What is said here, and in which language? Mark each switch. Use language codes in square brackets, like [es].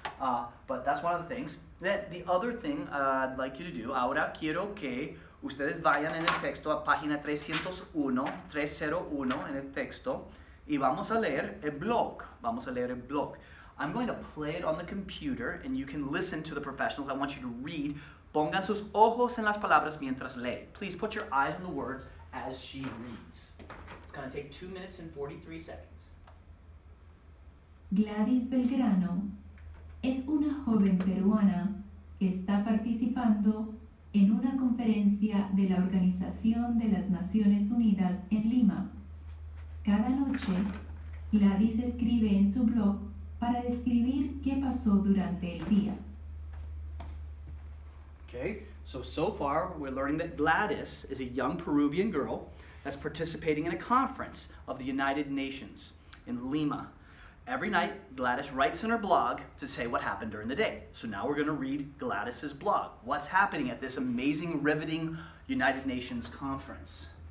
[en] But that's one of the things. The other thing I'd like you to do, [es] ahora quiero que ustedes vayan en el texto a página 301, 301 en el texto, Y vamos a leer el blog. Vamos a leer el blog. [en] I'm going to play it on the computer and you can listen to the professionals. I want you to read. [es] Pongan sus ojos en las palabras mientras lee. [en] Please put your eyes on the words as she reads. It's going to take 2 minutes and 43 seconds. [es] Gladys Belgrano es una joven peruana que está participando en una conferencia de la Organización de las Naciones Unidas en Lima. Cada noche, Gladys escribe en su blog para describir qué pasó durante el día. [en] Okay, so far we're learning that Gladys is a young Peruvian girl that's participating in a conference of the United Nations in Lima. Every night, Gladys writes in her blog to say what happened during the day. So now we're going to read Gladys's blog. What's happening at this amazing, riveting United Nations conference?